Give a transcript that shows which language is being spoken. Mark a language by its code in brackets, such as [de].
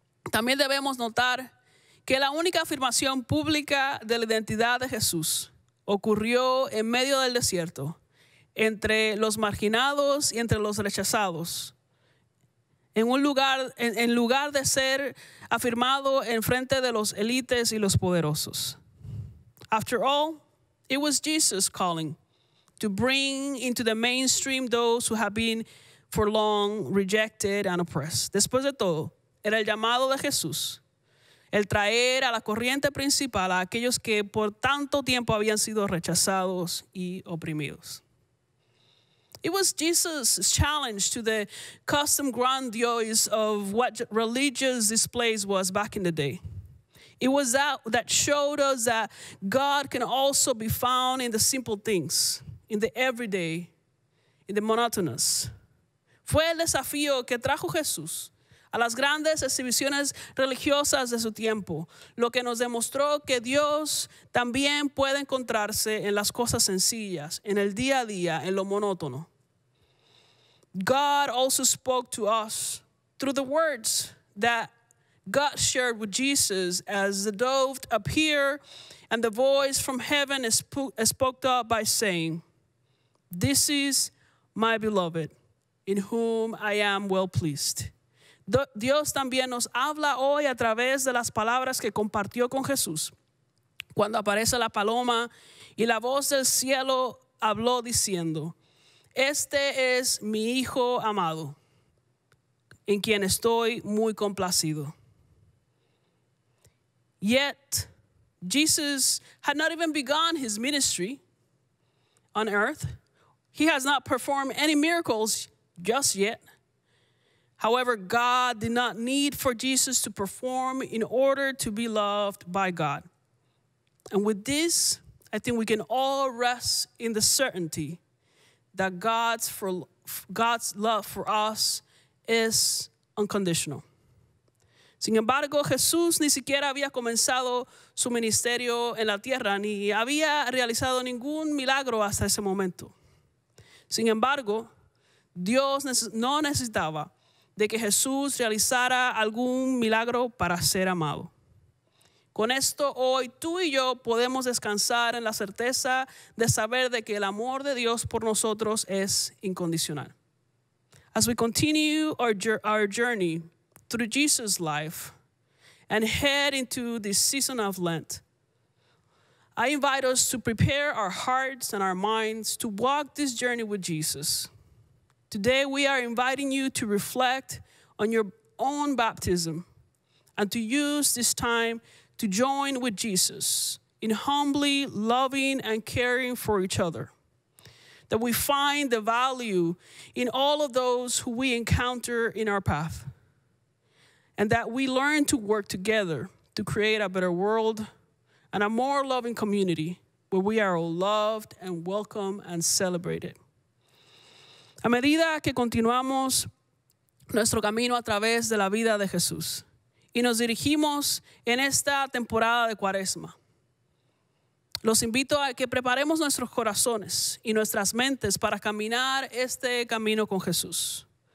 [es] También debemos notar que la única afirmación pública de la identidad de Jesús ocurrió en medio del desierto, entre los marginados y entre los rechazados, en lugar de ser afirmado en frente de los élites y los poderosos. [en] After all, it was Jesus' calling to bring into the mainstream those who have been for long rejected and oppressed. [es] Después de todo, era el llamado de Jesús, el traer a la corriente principal a aquellos que por tanto tiempo habían sido rechazados y oprimidos. [en] It was Jesus' challenge to the custom grandiose of what religious displays was back in the day. It was that showed us that God can also be found in the simple things, in the everyday, in the monotonous. [es] Fue el desafío que trajo Jesús a las grandes exhibiciones religiosas de su tiempo, lo que nos demostró que Dios también puede encontrarse en las cosas sencillas, en el día a día, en lo monótono. [en] God also spoke to us through the words that God shared with Jesus as the dove appeared and the voice from heaven spoke up by saying, "This is my beloved, in whom I am well pleased." [es] Dios también nos habla hoy a través de las palabras que compartió con Jesús. Cuando aparece la paloma y la voz del cielo habló diciendo, "Este es mi hijo amado, en quien estoy muy complacido." [en] Yet, Jesus had not even begun his ministry on earth. He has not performed any miracles just yet. However, God did not need for Jesus to perform in order to be loved by God. And with this, I think we can all rest in the certainty that God's love for us is unconditional. [es] Sin embargo, Jesús ni siquiera había comenzado su ministerio en la tierra ni había realizado ningún milagro hasta ese momento. Sin embargo, Dios no necesitaba de que Jesús realizara algún milagro para ser amado. Con esto, hoy tú y yo podemos descansar en la certeza de saber de que el amor de Dios por nosotros es incondicional. [en] As we continue our journey through Jesus' life and head into this season of Lent, I invite us to prepare our hearts and our minds to walk this journey with Jesus. Today, we are inviting you to reflect on your own baptism and to use this time to join with Jesus in humbly loving and caring for each other, that we find the value in all of those who we encounter in our path, and that we learn to work together to create a better world and a more loving community where we are all loved and welcome and celebrated. [es] A medida que continuamos nuestro camino a través de la vida de Jesús y nos dirigimos en esta temporada de Cuaresma, los invito a que preparemos nuestros corazones y nuestras mentes para caminar este camino con Jesús.